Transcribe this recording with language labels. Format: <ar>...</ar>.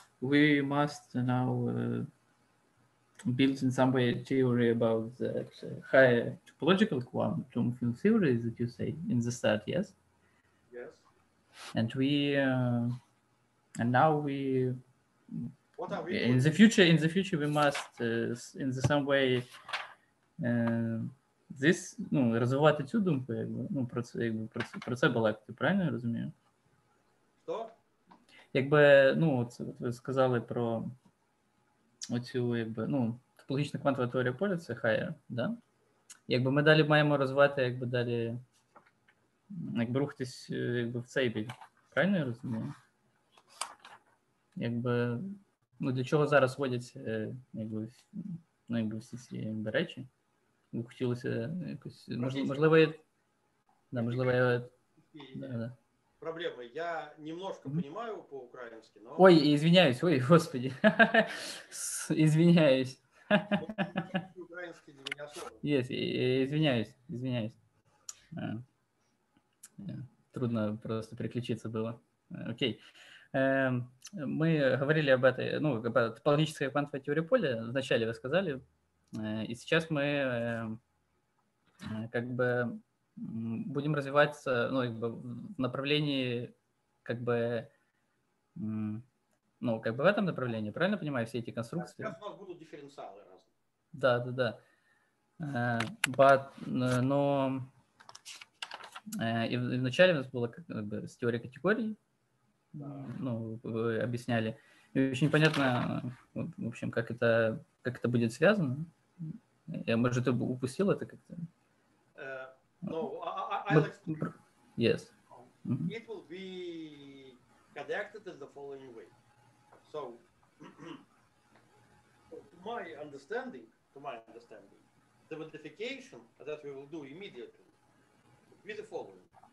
<en>We must now build in some way a theory about that higher topological quantum field theory that you say in the start, yes? Yes. And we, and now we. What are we? In the future, in the future, we must in the some way.</en> <uk>This, ну, розвивати цю думку, якби, ну, про це, якби, про це була, як ти правильно розумію? Що? Якби, ну, це, от ви сказали про оцю, якби, ну, топологічна квантова теорія поля, це higher, да? Якби ми далі маємо розвивати, якби далі, якби рухатись, якби, в цей бік. Правильно я розумію? Якби, ну, для чого зараз вводяться, якби, ну, якби всі ці, якби, речі? Хотілося якось, можливо, да, можливо, я... Да. Проблема.</uk> <ru>Я немножко понимаю по-українськи, но... Ой, извиняюсь, ой, господи. Извиняюсь. Украинский для меня слово. Yes, извиняюсь, извиняюсь. Трудно просто переключиться было. Окей. Мы говорили об этой, ну, об топологической квантовой теории поля. Вначале вы сказали... И сейчас мы как бы будем развиваться, ну, как бы в направлении, как бы, ну, как бы в этом направлении, правильно понимаю, все эти конструкции? Сейчас у нас будут дифференциалы разные. Да, да, да. But, но и вначале у нас было как бы с теорией категорий, да. Ну, вы объясняли. И очень понятно, в общем, как это будет связано. Я, может, ты упустил это как-то?</ru> <en>No, I'll explain. Yes. Mm-hmm. It will be connected in the following way. So, to my understanding, the modification that we will do immediately will be the following.</en>